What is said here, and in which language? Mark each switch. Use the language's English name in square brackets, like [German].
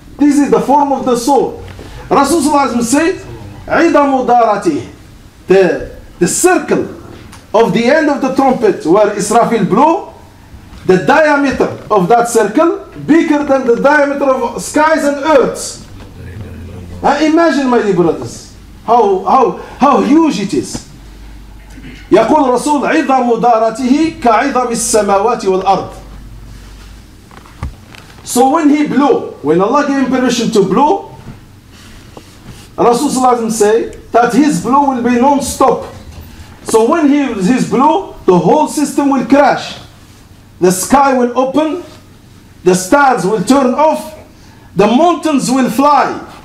[English] This is the form of the sword. Rasulullah said, [Arabic] عِدَمُ دَارَتِهِ, [English] the circle of the end of the trumpet where Israfil blew, the diameter of that circle, bigger than the diameter of skies and earths. Imagine, my dear brothers, how huge it is. [Arabic] يقول رسول عظم دارته كعظم السماوات والأرض. [English] So when he blew, when Allah gave him permission to blow, Rasul [Arabic] صلى الله عليه وسلم [English] say that his blow will be non-stop. So when his blow, the whole system will crash. The sky will open, the stars will turn off, the mountains will fly.